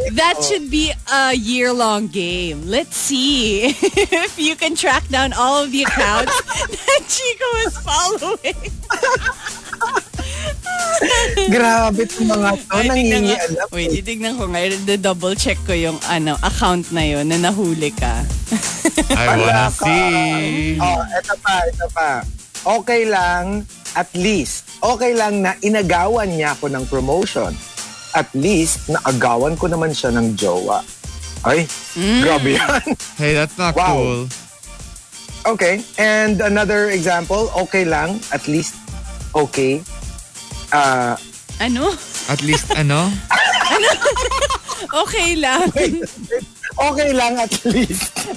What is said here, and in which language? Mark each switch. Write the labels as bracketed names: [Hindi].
[English] That should be a year-long game. Let's see if you can track down all of the accounts that Chico is following. [Filipino] Grabe itong mga to, nangingialam. Wait, titignan ko ngayon, double check ko yung ano account na yun na nahuli ka. [English] I wanna see. [Filipino] Oh, eto pa, eto pa. Okay lang, at least, okay lang na inagawan niya ako ng promotion. At least, naagawan ko naman siya ng jowa. Ay, grabe yan. [English] Hey, that's not cool. Okay, and another example, okay lang, at least, okay. [Filipino] Ano? At least, ano? Okay lang. Okay lang, at least.